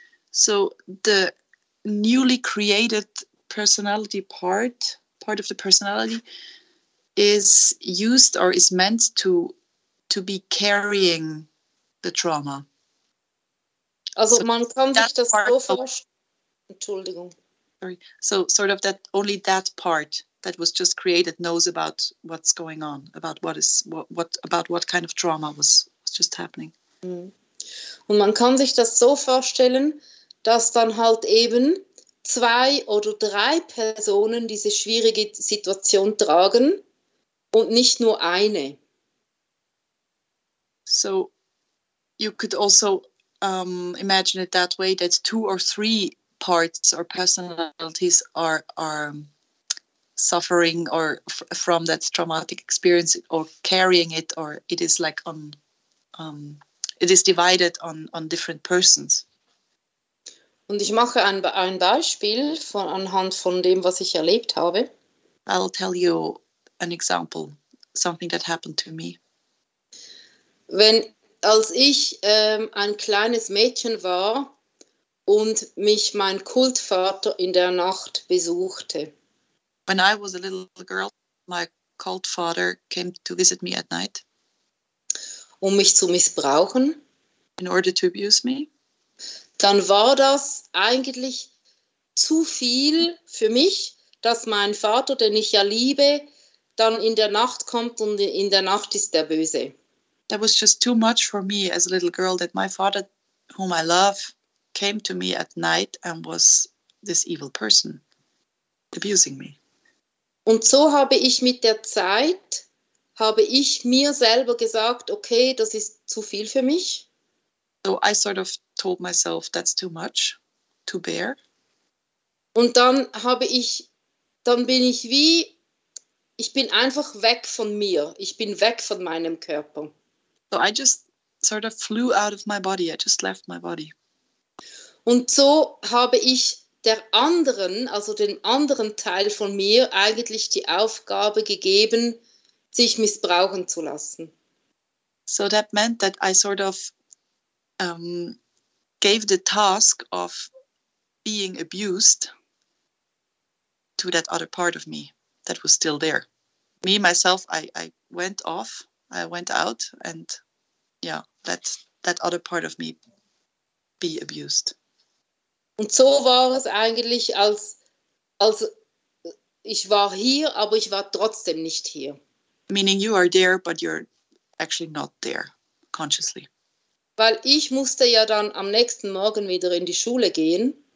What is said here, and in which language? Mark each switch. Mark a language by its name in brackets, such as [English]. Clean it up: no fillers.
[English] So the newly created personality part of the personality is used or is meant to be carrying the trauma. [German] Also so man kann sich das so vorstellen. Entschuldigung. [English] Sorry. So sort of that only that part that was just created knows about what's going on, about what kind of trauma was just happening. [German] Und man kann sich das so vorstellen, dass dann halt eben zwei oder drei Personen diese schwierige Situation tragen und nicht nur eine. [English] So you could also imagine it that way, that two or three parts or personalities are suffering or from that traumatic experience or carrying it, or it is like it is divided on different persons. [German] Und ich mache ein Beispiel anhand von dem, was ich erlebt habe. [English] I'll tell you an example, something that happened to me. [German] Als ich ein kleines Mädchen war und mich mein Kultvater in der Nacht besuchte. [English] When I was a little girl, my cult father came to visit me at night. [German] Um mich zu missbrauchen. [English] In order to abuse me. [German] Dann war das eigentlich zu viel für mich, dass mein Vater, den ich ja liebe, dann in der Nacht kommt und in der Nacht ist der Böse. [English] That was just too much for me as a little girl, that my father, whom I love, came to me at night and was this evil person abusing me. [German] Und so habe ich mit der Zeit, habe ich mir selber gesagt, okay, das ist zu viel für mich. [English] So I sort of told myself, that's too much to bear. [German] Und dann bin ich wie Ich bin einfach weg von mir. Ich bin weg von meinem Körper. [English] So I just sort of flew out of my body. I just left my body. [German] Und so habe ich der anderen, also dem anderen Teil von mir, eigentlich die Aufgabe gegeben, sich missbrauchen zu lassen. [English] So that meant that I sort of gave the task of being abused to that other part of me that was still there. Me, myself, I went off, I went out, and yeah, that other part of me be abused. [German] Und so war es eigentlich, als ich war hier, aber ich war trotzdem nicht hier. [English] Meaning you are there, but you're actually not there, consciously. [German] Weil ich musste ja dann am nächsten Morgen wieder in die Schule gehen.